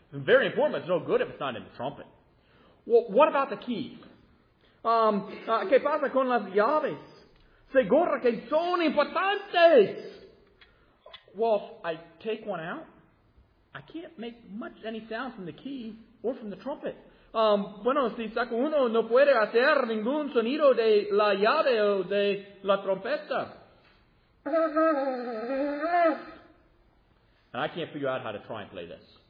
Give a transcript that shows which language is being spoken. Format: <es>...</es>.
<en>Very important, it's no good if it's not in the trumpet. Well, what about the keys?</en> <es>¿Qué pasa con las llaves? Seguro que son importantes.</es> <en>Well, I take one out, I can't make much any sound from the key or from the trumpet.</en> <es>Si saco uno, no puede hacer ningún sonido de la llave o de la trompeta.</es> <en>And I can't figure out how to try and play this.</en>